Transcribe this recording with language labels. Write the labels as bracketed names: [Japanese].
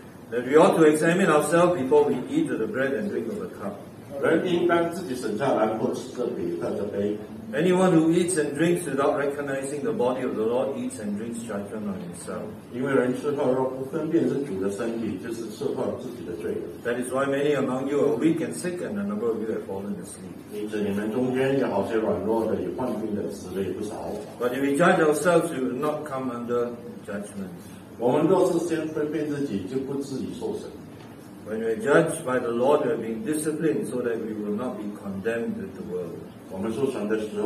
[English] That we ought to examine ourselves before we eat the bread and drink of the cup. [Chinese] 人应当自己审查，然后吃这饼和这杯。 [English] Anyone who eats and drinks without recognizing the body of the Lord eats and drinks judgment on himself. [Chinese] 因为人吃喝肉不分辨是主的身体，就是吃喝自己的罪。 [English] That is why many among you are weak and sick, and a number of you have fallen asleep. [Chinese] 因此你们中间有好些软弱的，有患病的，死了也不少。 [English] But if we judge ourselves, we will not come under judgment. [Chinese] 我们若是先分辨自己，就不至于受审。 [English] When we are judged by the Lord, we are being disciplined so that we will not be condemned with the world.